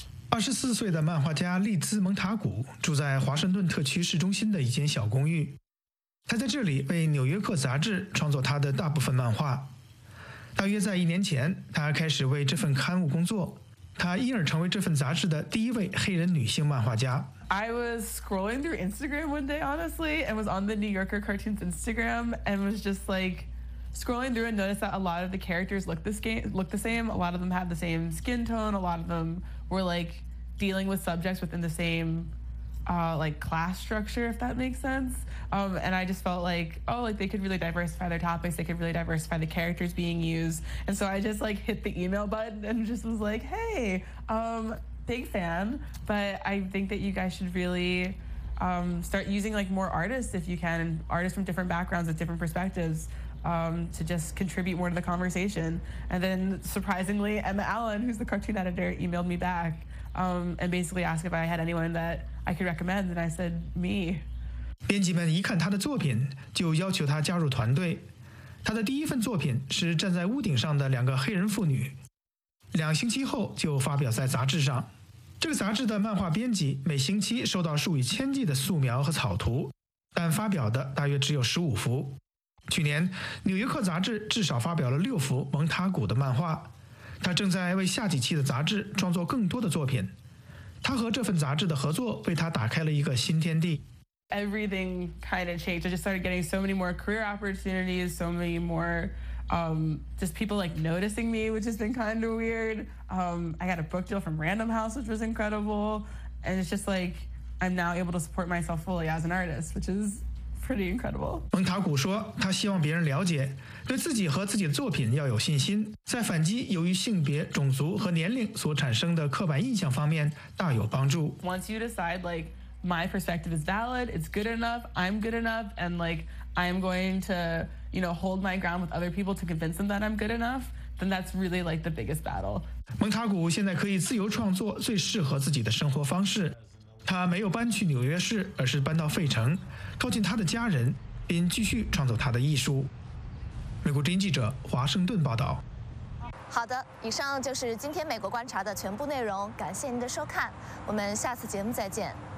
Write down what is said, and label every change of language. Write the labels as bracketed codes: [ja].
[zh] 24岁的漫画家利兹·蒙塔古住在华盛顿特区市中心的一间小公寓，他在这里为《纽约客》杂志创作他的大部分漫画。大约在一年前，他开始为这份刊物工作，他因而成为这份杂志的第一位黑人女性漫画家。 [en] I was scrolling through Instagram one day, honestly, and was on the New Yorker Cartoons Instagram and was just like scrolling through and noticed that a lot of the characters look the same. A lot of them have the same skin tone. A lot of them were like dealing with subjects within the same like class structure, if that makes sense. And I just felt like, oh, like they could really diversify their topics. They could really diversify the characters being used. And so I just like hit the email button and just was like, hey, big fan, but I think that you guys should really start using like more artists if you can, artists from different backgrounds with different perspectives to just contribute more to the conversation. And then surprisingly, Emma Allen, who's the cartoon editor, emailed me back and basically asked if I had anyone that I could recommend, and I said, me. [zh] 编辑们一看他的作品，就要求他加入团队。他的第一份作品是站在屋顶上的两个黑人妇女，两星期后就发表在杂志上。这个杂志的漫画编辑每星期收到数以千计的素描和草图，但发表的大约只有15幅。去年《纽约客》杂志至少发表了6幅蒙塔古的漫画，他正在为下几期的杂志创作更多的作品。他和这份杂志的合作为他打开了一个新天地。 [en] Everything kind of changed. I just started getting so many more career opportunities, so many more just people like noticing me, which has been kind of weird. I got a book deal from Random House, which was incredible. And it's just like, I'm now able to support myself fully as an artist, which is pretty incredible. [zh] 蒙塔古说，他希望别人了解，对自己和自己的作品要有信心，在反击由于性别、种族和年龄所产生的刻板印象方面大有帮助。 [en] Once you decide, like, my perspective is valid, it's good enough, I'm good enough, and like, I'm going to... You know, hold my ground with other people to convince them that I'm good enough, then that's really like the biggest battle. [zh] 蒙塔古现在可以自由创作最适合自己的生活方式。他没有搬去纽约市，而是搬到费城，靠近他的家人，并继续创作他的艺术。美国之音记者华盛顿报道。好的，以上就是今天美国观察的全部内容，感谢您的收看，我们下次节目再见。